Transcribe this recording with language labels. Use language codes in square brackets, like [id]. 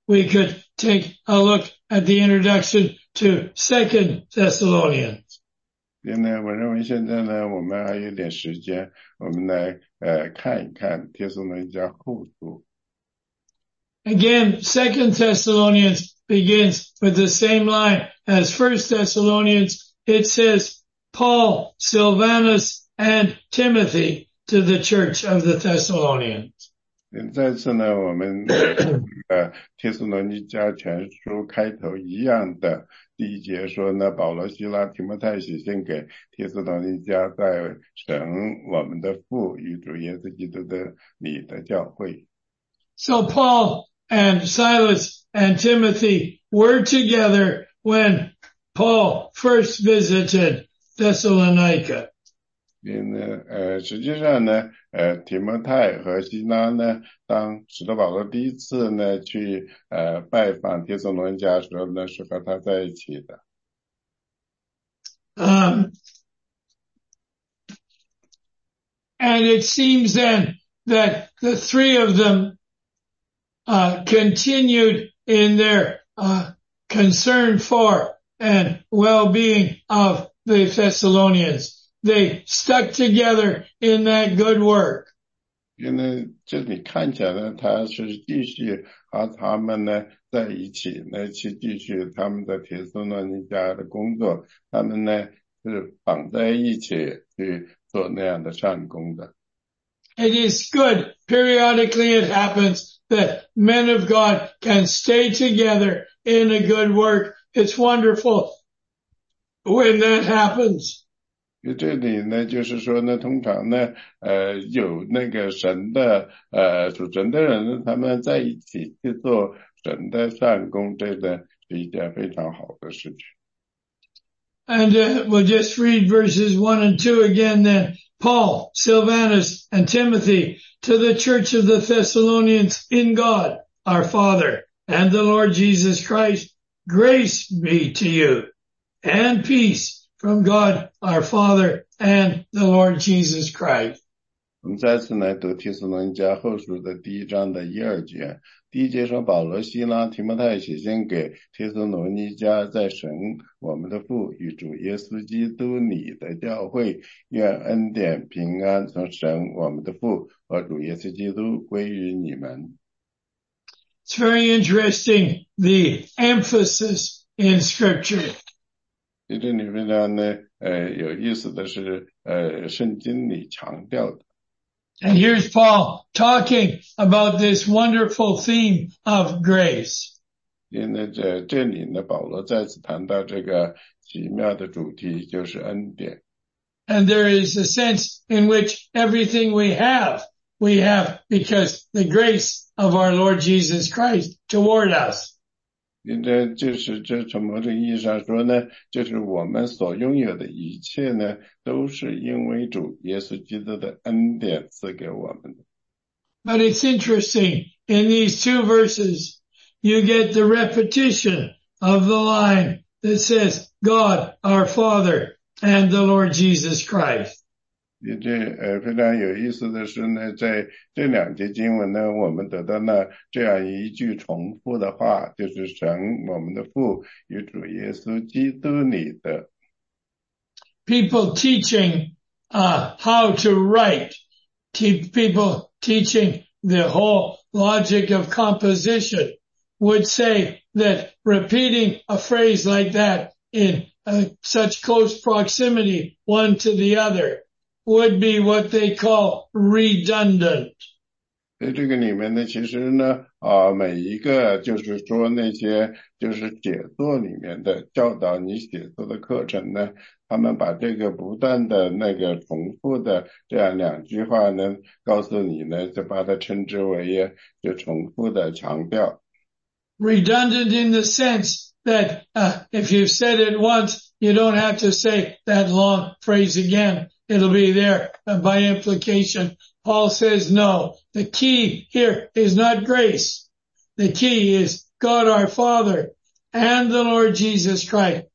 [en] We could take a look at the introduction to 2 Thessalonians. [zh] 现在我认为现在呢，我们还有点时间，我们来看一看帖撒罗尼迦后书。 [en] Again, 2 Thessalonians begins with the same line as 1 Thessalonians. It says, Paul, Silvanus, and Timothy. To the Church of the Thessalonians. [zh] 再次呢，我们帖撒罗尼迦全书开头一样的第一节说呢，保罗、希拉、提摩太写信给帖撒罗尼迦在神我们的父与主耶稣基督的你的教会。 [en] So Paul and Silas and Timothy were together when Paul first visited Thessalonica. [zh] 实际上呢，提摩太和希拉呢，当使徒保罗第一次呢去拜访帖撒罗尼迦的时候呢，是和他在一起的。 [en] And it seems then that the three of them continued in their concern for and well-being of the Thessalonians. They stuck together in that good work. [zh] 因为这里看起来呢，他是继续和他们呢在一起，那去继续他们在帖撒罗尼迦的工作。他们呢是绑在一起去做那样的善工的。 [en] It is good. Periodically, it happens that men of God can stay together in a good work. It's wonderful when that happens. [zh] 这里呢就是说呢通常呢有那个神的属神的人他们在一起去做神的善工这个是一件非常好的事情。 [en] And we'll just read verses 1 and 2 again then. Paul, Silvanus, and Timothy to the Church of the Thessalonians in God, our Father, and the Lord Jesus Christ, grace be to you and peace. From God, our Father, and the Lord Jesus Christ. [zh] 我们再次来读帖撒罗尼迦后书的第一章的一二节。第一节说保罗、希拉、提摩太写信给帖撒罗尼迦在神我们的父与主耶稣基督你的教会愿恩典平安从神我们的父和主耶稣基督归于你们。 [en] It's very interesting, the emphasis in scripture. [zh] 这里非常呢有意思的是圣经里强调的。 [en] And here's Paul talking about this wonderful theme of grace. [zh] 因为这里呢保罗再次谈到这个奇妙的主题就是恩典。 [en] And there is a sense in which everything we have because the grace of our Lord Jesus Christ toward us. [zh] 这就是这从某种意义上说呢，就是我们所拥有的一切呢，都是因为主耶稣基督的恩典赐给我们的。 [en] But it's interesting, in these two verses, you get the repetition of the line that says, God, our Father, and the Lord Jesus Christ. [zh] 这非常有意思的是呢，在这两节经文呢，我们得到了这样一句重复的话，就是神，我们的父，与主耶稣基督你的。 [en] People teaching, how to write, people teaching the whole logic of composition would say that repeating a phrase like that in such close proximity one to the other would be what they call redundant. [zh] 在这个里面呢，其实呢，每一个就是说那些就是写作里面的教导你写作的课程呢，他们把这个不断的那个重复的这样两句话呢，告诉你呢，就把它称之为就重复的强调。 [en] Redundant in the sense that, if you've said it once, you don't have to say that long phrase again. It'll be there by implication. Paul says no. The key here is not grace. The key is God our Father and the Lord Jesus Christ.